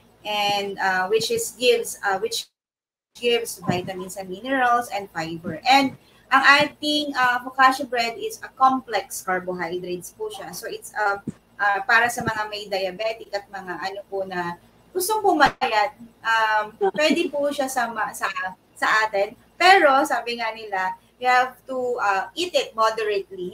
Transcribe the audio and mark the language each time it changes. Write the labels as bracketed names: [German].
[English] And which gives vitamins and minerals and fiber. And Ang ating focaccia bread is a complex carbohydrates po siya. [Filipino] So it's para sa mga may diabetic at mga ano po na gustong pumayat, pwede po siya sa atin. Pero sabi nga nila, [English] you have to eat it moderately.